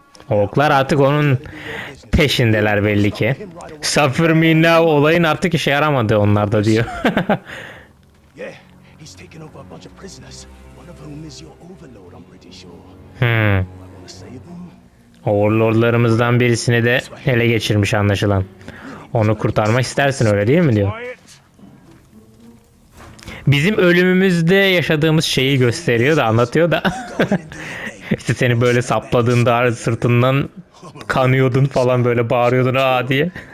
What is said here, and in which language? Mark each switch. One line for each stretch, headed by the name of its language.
Turkish: Orklar artık onun peşindeler belli ki.
English: Suffer me now
Turkish: olayın artık işe yaramadı onlarda diyor.
English: Yeah, he's taken over a bunch of prisoners. One of whom is your overlord, I'm pretty sure.
Turkish: Overlordlarımızdan birisini de ele geçirmiş anlaşılan. Onu kurtarmak istersin öyle değil mi diyor. Bizim ölümümüzde yaşadığımız şeyi gösteriyor da anlatıyor da. İşte seni böyle sapladığında sırtından kanıyordun falan böyle bağırıyordun aa diye.